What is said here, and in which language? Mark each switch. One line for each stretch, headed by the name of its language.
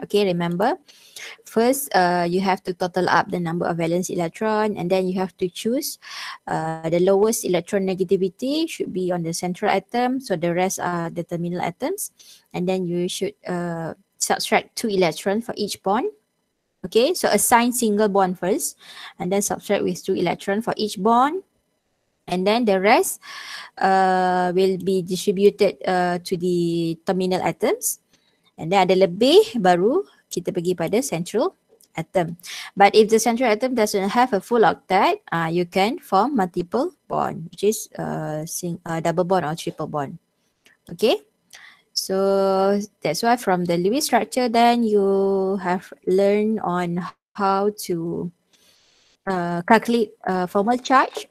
English: Okay, remember, first you have to total up the number of valence electron, and then you have to choose the lowest electron negativity should be on the central atom, so the rest are the terminal atoms, and then you should subtract 2 electrons for each bond. Okay, so assign single bond first, and then subtract with 2 electrons for each bond. And then the rest will be distributed to the terminal atoms. And then
Malay: ada lebih baru kita pergi pada central atom.
English: But if the central atom doesn't have a full octet, you can form multiple bond, which is double bond or triple bond. Okay. So that's why from the Lewis structure, then you have learned on how to calculate formal charge.